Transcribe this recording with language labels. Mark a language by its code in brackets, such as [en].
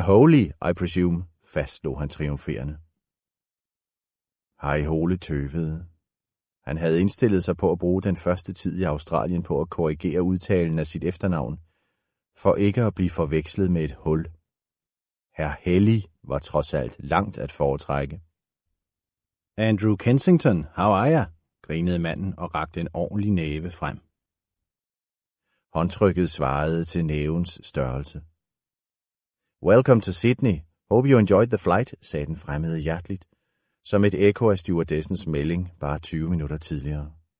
[en] Holy, I presume, [da] fastslog han triumferende. Harry Hole tøvede. Han havde indstillet sig på at bruge den første tid i Australien på at korrigere udtalen af sit efternavn, for ikke at blive forvekslet med et hul. Herr Helly var trods alt langt at foretrække. [en] Andrew Kensington, how are you? [da] Grinede manden og rakte en ordentlig næve frem. Håndtrykket svarede til nævens størrelse. [en] Welcome to Sydney. Hope you enjoyed the flight, [da] sagde den fremmede hjerteligt, som et ekko af stewardessens melding bare 20 minutter tidligere.